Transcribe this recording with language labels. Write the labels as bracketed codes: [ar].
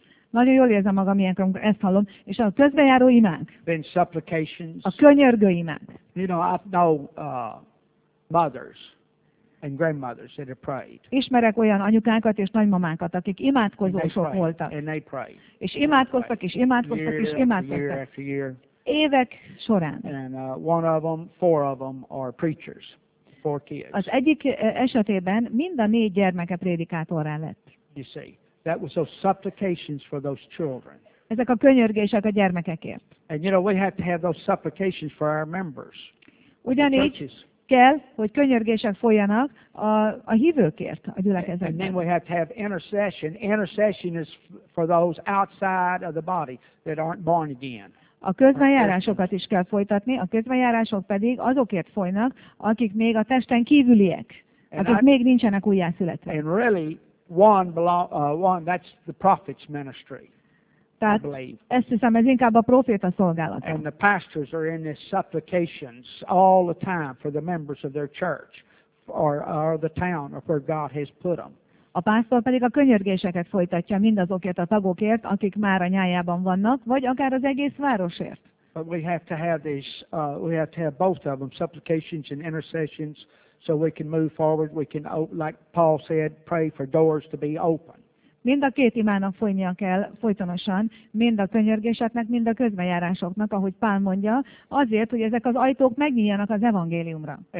[hu] Nagyon jól érzem magam, ilyenkor, amikor ezt hallom. És a közbejáró imánk. [en] Then supplications. [hu] A könyörgő imánk. [en] You know, I know mothers and grandmothers that have prayed. [hu] Ismerek olyan anyukákat és nagymamákat, akik imádkozók voltak. [en] And they prayed. [hu] És imádkoztak, és imádkoztak, [en] year, [hu] és imádkoztak. [en] Year after year. [hu] Évek során. [en] And one of them, four of them are preachers. Four kids. [hu] Az egyik esetében mind a négy gyermeke prédikátorrá lett. [en] You see, that was those supplications for those children. [hu] Ezek a könyörgések a gyermekekért. [en] And you know, we have to have those supplications for our members. [hu] Ugyanígy kell, hogy könyörgések folyanak a hívőkért, a gyülekezetben. [en] And then we have to have intercession. Intercession is for those outside of the body that aren't born again. [hu] A közbenjárásokat is kell folytatni, a közbenjárások pedig azokért folynak, akik még a testen kívüliek, akik még nincsenek újjászületve. [en] And really, one, that's the prophet's ministry. [hu] Tehát ezt hiszem, ez inkább a proféta szolgálata. [en] And the pastors are in these supplications all the time for the members of their church or the town of where God has put them. [hu] A pásztor pedig a könyörgéseket folytatja mindazokért a tagokért, akik már a nyájában vannak, vagy akár az egész városért. [en] But we have to have this, we have to have both of them, supplications and intercessions, so we can move forward, we can, like Paul said, pray for doors to be open. [hu] Mind a két imának folynia kell folytonosan, mind a könyörgéseknek, mind a közbejárásoknak, ahogy Pál mondja, azért, hogy ezek az ajtók megnyíljanak az evangéliumra.